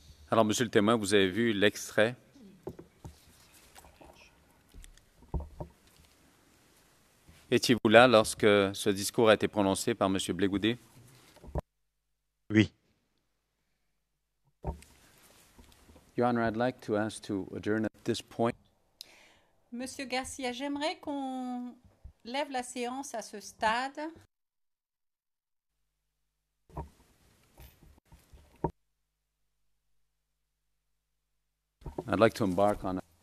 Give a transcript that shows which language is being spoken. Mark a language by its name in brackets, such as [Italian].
[French] Alors, monsieur le témoin, vous avez vu l'extrait. Étiez-vous là lorsque ce discours a été prononcé par monsieur Blégoudé? Oui. [English] Your Honor, I'd like to ask to adjourn at this point. [French] Monsieur Garcia, j'aimerais qu'on lève la séance à ce stade. [English] I'd like to embark on a...